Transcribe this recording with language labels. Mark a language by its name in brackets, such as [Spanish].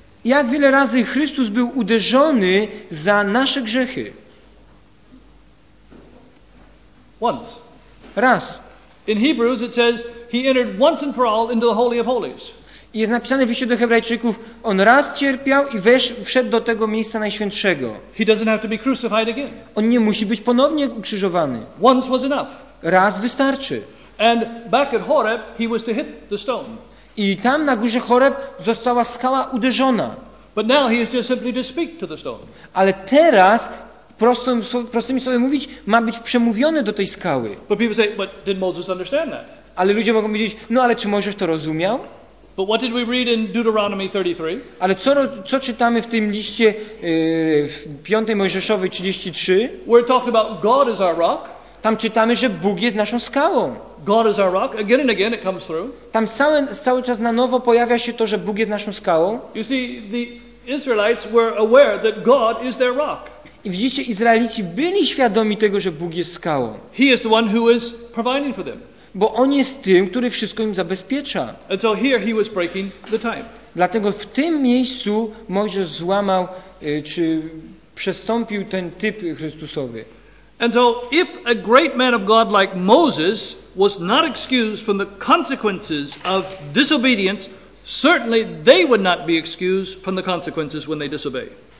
[Polish] Jak wiele razy Chrystus był uderzony za nasze grzechy? [English] Once. [Polish] Raz. [English] In Hebrews it says he entered once and for all into the Holy of Holies. [Polish] I jest napisane w liście do Hebrajczyków, on raz cierpiał i wszedł do tego miejsca najświętszego. [English] He doesn't have to be crucified again. [Polish] On nie musi być ponownie ukrzyżowany. [English] Once was enough. [Polish] Raz wystarczy. [English] And back at Horeb he was to hit the stone. [Polish] I tam na górze Horeb została skała uderzona. [English] But now he is just simply to speak to the stone. [Polish] Ale teraz, prostymi słowy mówić, ma być przemówione do tej skały. [English] But people say, but did Moses understand that? [Polish] Ale ludzie mogą powiedzieć, no ale czy Mojżesz to rozumiał? [English] But what did we read in Deuteronomy 33? [Polish] Ale co czytamy w tym liście w 5 Mojżeszowej 33? [English] We're talking about God is our rock. [Polish] Tam czytamy, że Bóg jest naszą skałą. [English] God is our rock. Again and again it comes through. [Polish] Tam cały czas na nowo pojawia się to, że Bóg jest naszą skałą. [English] You see, the Israelites were aware that God is their rock. [Polish] I widzicie, Izraelici byli świadomi tego, że Bóg jest skałą. [English] He is the one who is providing for them. [Polish] Bo on jest tym, który wszystko im zabezpiecza. [English] And so here he was breaking the time. [Polish] Dlatego w tym miejscu Mojżesz złamał czy przestąpił ten typ Chrystusowy. [English] And so if a great man of God like Moses was not excused from the consequences of disobedience, certainly they would not be excused from the consequences when they disobey.